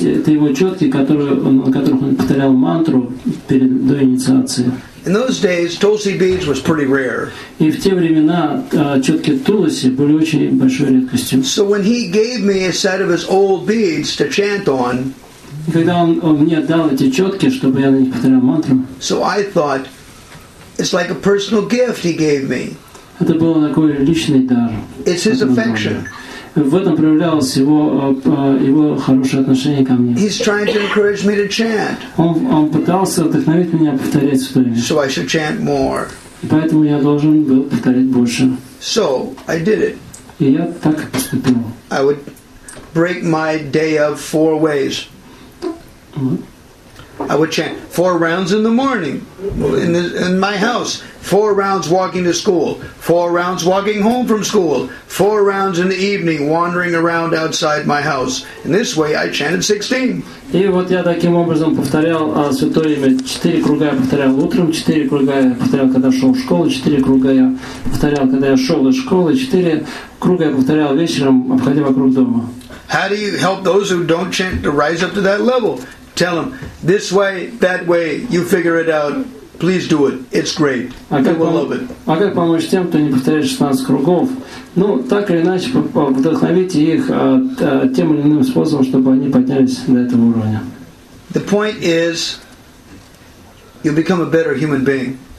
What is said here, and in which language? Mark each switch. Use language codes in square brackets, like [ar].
[ru] Это его четки, на которых он повторял мантру до инициации. [en] In those days, Tulsi beads was pretty rare. [ru] И в те времена четки Туласи были очень большой редкостью. [en] So when he gave me a set of his old beads to chant on, [ru] когда он мне дал эти четки, чтобы я на них повторял мантру, [en] so I thought, it's like a personal gift he gave me. [ru] Это был такой личный дар. [en] It's his affection. [ru] В этом проявлялось его хорошее отношение ко мне. [en] He's trying to encourage me to chant. [ru] Он пытался вдохновить меня повторять все время. [en] So I should chant more. [ru] Поэтому я должен был повторять больше. [en] So I did it. [ru] И я так и поступил. [en] I would break my day of four ways. I would chant four rounds in the morning in my house, four rounds walking to school, four rounds walking home from school, four rounds in the evening wandering around outside my house. In this way I chanted 16. [ru] И вот я таким образом повторял святое имя. Четыре круга я повторял утром, четыре круга я повторял, когда шел в школу, четыре круга я повторял, когда я шел из школы, четыре круга я повторял вечером, обходя вокруг дома. [en] How do you help those who don't chant to rise up to that level? Tell them, this way, that way, you figure it out, please do it, it's great, they will love it. [ru] А как помочь тем, кто не повторяет 16 кругов? Ну, так или иначе, вдохновите их тем или иным способом, чтобы они поднялись до этого уровня. [en] The point is, you become a better human being.